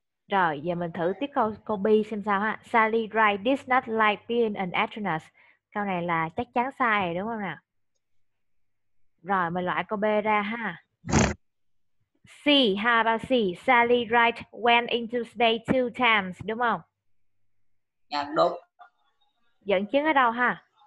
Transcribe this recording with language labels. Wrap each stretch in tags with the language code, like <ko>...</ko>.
<vi>Rồi, giờ mình thử tiếp câu B xem sao ha.</vi> <en>Sally Wright did not like being an astronaut.</en> <vi>Câu này là chắc chắn sai rồi, đúng không nào? Rồi, mình loại câu B ra ha. C,</vi> <en>how about C? Sally Wright went into space 2 times,</en> <vi>đúng không? Dạ, đúng. Dẫn chứng ở đâu ha?</vi>